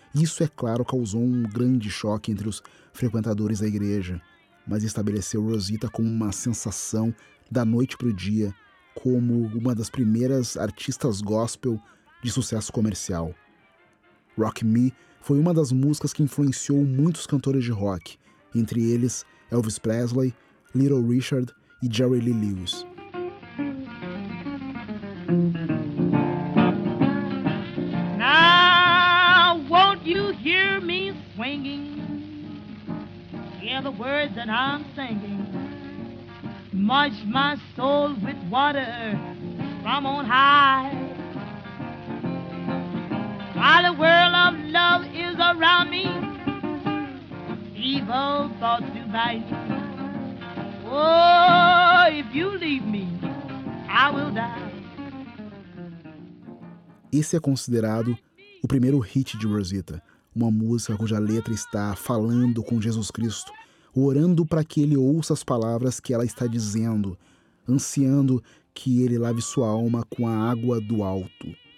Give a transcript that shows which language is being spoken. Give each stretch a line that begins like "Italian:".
Portuguese: Isso, é claro, causou um grande choque entre os frequentadores da igreja, mas estabeleceu Rosita como uma sensação da noite para o dia, como uma das primeiras artistas gospel de sucesso comercial. Rock Me foi uma das músicas que influenciou muitos cantores de rock, entre eles Elvis Presley, Little Richard e Jerry Lee Lewis.
English: Now, won't you hear me swinging? Hear the words that I'm singing. Munch my soul with water from on high. While the world of love is around me, evil thoughts do bite. Oh, if you leave me, I will die.
Portuguese: Esse é considerado o primeiro hit de Rosita, uma música cuja letra está falando com Jesus Cristo, orando para que ele ouça as palavras que ela está dizendo, ansiando que ele lave sua alma com a água do alto.